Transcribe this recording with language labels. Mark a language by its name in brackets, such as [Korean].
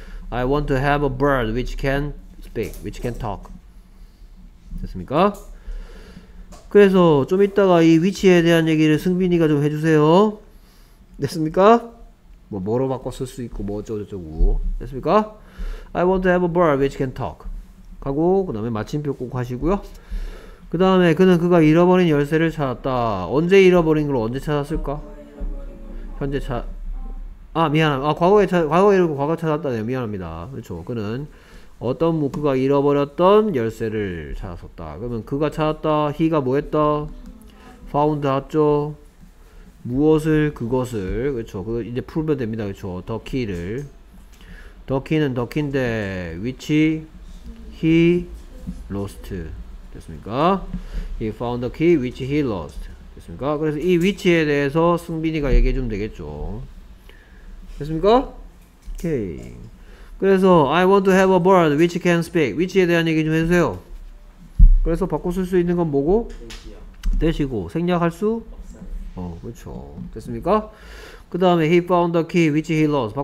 [English] I want to have a bird which can speak, which can talk. [Korean] 됐습니까? 그래서 좀 이따가 이 위치에 대한 얘기를 승빈이가 좀 해주세요. 됐습니까? 뭐 뭐로 바꿔 쓸 수 있고 뭐 어쩌고저쩌고. 됐습니까? [English] I want to have a bird which can talk. [Korean] 하고 그 다음에 마침표 꼭 하시고요. 그 다음에 그는 그가 잃어버린 열쇠를 찾았다. 언제 잃어버린 걸 언제 찾았을까? 현재 찾... 아 미안합니다. 아 과거에 찾... 과거에 잃고 과거 찾았다네요. 미안합니다. 그렇죠. 그는 어떤 그가 잃어버렸던 열쇠를 찾았었다. 그러면 그가 찾았다. He가 뭐 했다? Found 하죠. 무엇을 그것을 그렇죠. 그 이제 풀면 됩니다. 그렇죠. [English] The key를 The key는 the key인데 which he lost [Korean] 됐습니까? [English] He found the key which he lost [Korean] 됐습니까? 그래서 이 위치에 대해서 승빈이가 얘기해 주면 되겠죠. 됐습니까? 오케이. 그래서 [English] I want to have a bird which can speak. [Korean] 위치에 대한 얘기 좀 해주세요. 그래서 바꿔 쓸 수 있는 건 뭐고? 되시고 생략할 수? 어 그렇죠. 됐습니까? 그 다음에 [English] he found the key which he lost.